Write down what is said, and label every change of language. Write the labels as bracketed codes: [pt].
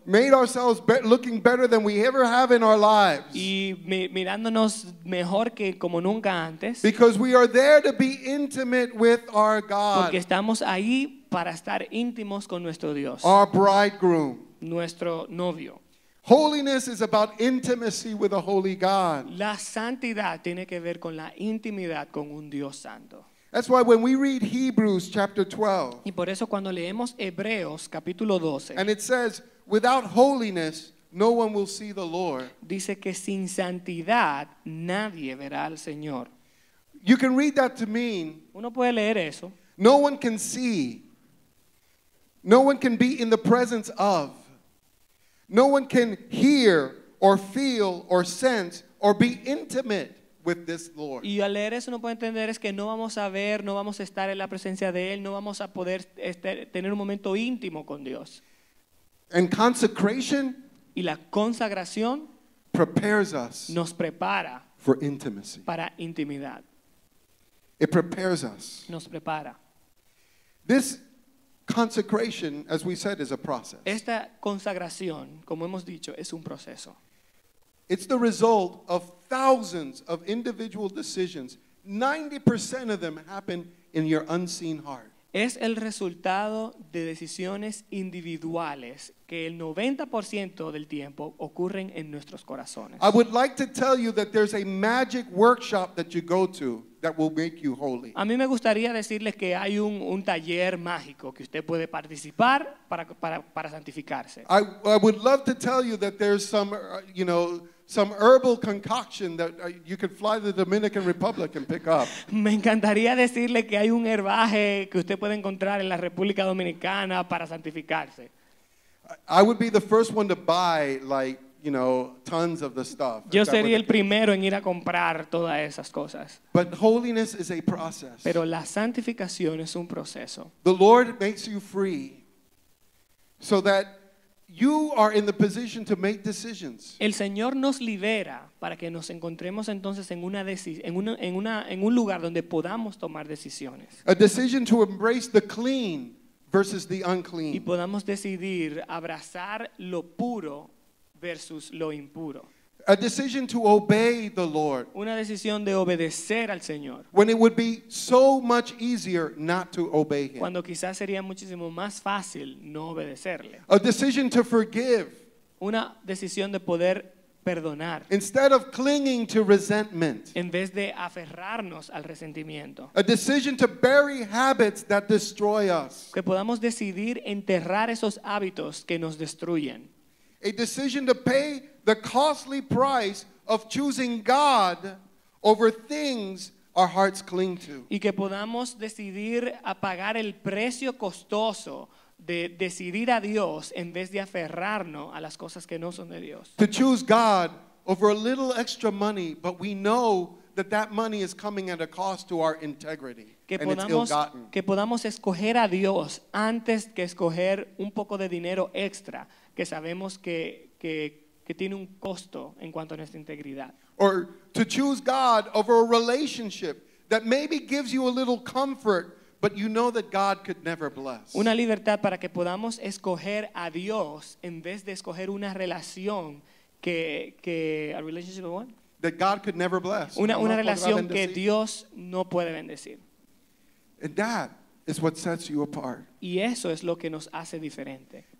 [en] made ourselves looking better than we ever have in our lives, [es] y mirándonos mejor que como nunca antes, [en] because we are there to be intimate with our God, [es] porque estamos ahí para estar íntimos con nuestro Dios, [en] our bridegroom, [es] nuestro novio. [en] Holiness is about intimacy with a holy God. [es] La santidad tiene que ver con la intimidad con un Dios santo. [en] That's why when we read Hebrews chapter 12, [es] y por eso cuando leemos Hebreos capítulo 12, [en] and it says, without holiness, no one will see the Lord. [es] Dice que sin santidad nadie verá al Señor. [en] You can read that to mean, [es] uno puede leer eso, [en] no one can see, no one can be in the presence of, no one can hear or feel or sense or be intimate with this Lord. [es] Y al leer eso no puedo entender es que no vamos a ver, no vamos a estar en la presencia de él, no vamos a poder tener un momento íntimo con Dios. [en] And consecration, [es] y la consagración, [en] prepares us, [es] nos prepara [en] for intimacy, [es] para intimidad. [en] It prepares us, [es] nos prepara. [en] This consecration, as we said, is a process. [es] Esta consagración, como hemos dicho, es un proceso. [en] It's the result of thousands of individual decisions. 90% of them happen in your unseen heart. [es] Es el resultado de decisiones individuales que el 90% del tiempo ocurren en nuestros corazones. [en] I would like to tell you that there's a magic workshop that you go to that will make you holy. [es] A mí me gustaría decirles que hay un taller mágico que usted puede participar para santificarse. [en] I would love to tell you that there's some, you know, some herbal concoction that you could fly to the Dominican Republic and pick up. [es] Me encantaría decirle que hay un herbaje que usted puede encontrar en la República Dominicana para santificarse. [en] I would be the first one to buy, like, you know, tons of the stuff. [es] Yo sería el primero en ir a comprar todas esas cosas. [en] But holiness is a process. [es] Pero la santificación es un proceso. [en] The Lord makes you free so that you are in the position to make decisions. [es] El Señor nos libera para que nos encontremos entonces en un lugar donde podamos tomar decisiones. [en] A decision to embrace the clean versus the unclean. [es] Y podamos decidir abrazar lo puro versus lo impuro. [en] A decision to obey the Lord. [es] Una decisión de obedecer al Señor. [en] When it would be so much easier not to obey him. [es] Cuando quizás sería muchísimo más fácil no obedecerle. [en] A decision to forgive. [es] Una decisión de poder perdonar. [en] Instead of clinging to resentment. [es] En vez de aferrarnos al resentimiento. [en] A decision to bury habits that destroy us. [es] Que podamos decidir enterrar esos hábitos que nos destruyen. [en] A decision to pay the costly price of choosing God over things our hearts cling to. [es] Y que podamos decidir a pagar el precio costoso de decidir a Dios en vez de aferrarnos a las cosas que no son de Dios. [en] To choose God over a little extra money, but we know that that money is coming at a cost to our integrity. [es] Que podamos escoger a Dios antes que escoger un poco de dinero extra que sabemos que tiene un costo en cuanto a nuestra integridad. [en] Or to choose God over a relationship that maybe gives you a little comfort, but you know that God could never bless. [es] Una libertad para que podamos escoger a Dios en vez de escoger una relación que [en] a relationship of one that God could never bless. [es] Una relación que Dios no puede bendecir. [en] And that is what sets you apart. [es] Y eso es lo que nos hace diferente.